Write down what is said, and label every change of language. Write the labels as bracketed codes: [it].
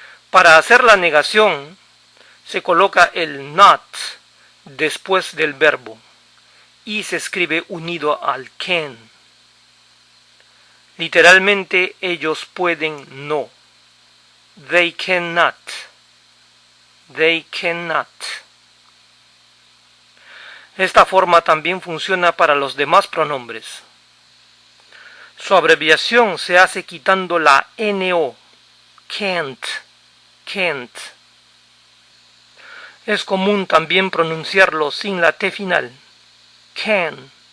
[es] Para hacer la negación, se coloca el not después del verbo y se escribe unido al can. Literalmente, ellos pueden no. [en] They cannot. They cannot. [es] Esta forma también funciona para los demás pronombres. Su abreviación se hace quitando la NO. Can't, can't. Es común también pronunciarlo sin la T final. Can.